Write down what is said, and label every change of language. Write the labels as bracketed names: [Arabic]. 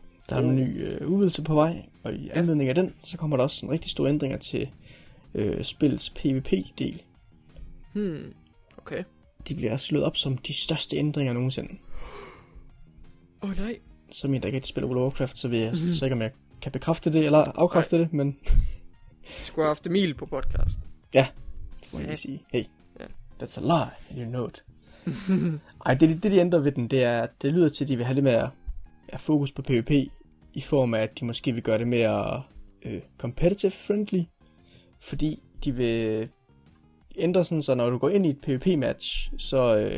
[Danish] Der er en ny udvidelse på vej, og i anledning af den, så kommer der også en rigtig stor ændringer til spillets PvP-del. Hmm, okay. De bliver slået op som de største ændringer nogensinde. Åh oh, nej. Som en, der ikke spiller World of Warcraft, så vil jeg så ikke, om jeg kan bekræfte det eller afkræfte det, men... Jeg skulle have haft Emil på podcast. Ja, det må jeg sige. [English] Hey, that's a lie, and you know it. [Danish] Ej, det de ændrer ved den, det er, at det lyder til, at de vil have det med at fokus på PvP, i form af, at de måske vil gøre det mere [English] competitive friendly, [Danish] fordi de vil ændre sådan, så når du går ind i et PvP-match, så